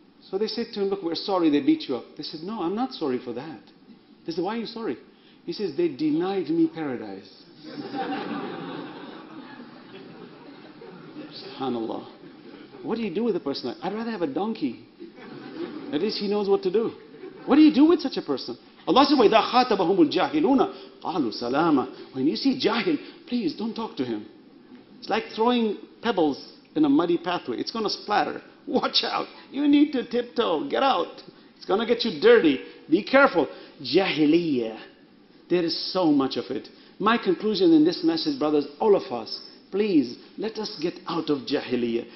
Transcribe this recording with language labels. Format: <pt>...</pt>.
<en>So they said to him, look, we're sorry they beat you up. They said, no, I'm not sorry for that. They said, why are you sorry? He says, they denied me paradise. SubhanAllah. What do you do with a person like that? I'd rather have a donkey. At least he knows what to do. What do you do with such a person? Allah says,</en> <ar>وَإِذَا خَاتَبَهُمُ الْجَاهِلُونَ قَالُوا سَلَامًا.</ar> <en>When you see jahil, please don't talk to him. It's like throwing pebbles in a muddy pathway. It's going to splatter. Watch out. You need to tiptoe. Get out. It's going to get you dirty. Be careful. Jahiliyyah. There is so much of it. My conclusion in this message, brothers, all of us, please, let us get out of jahiliyyah.</en>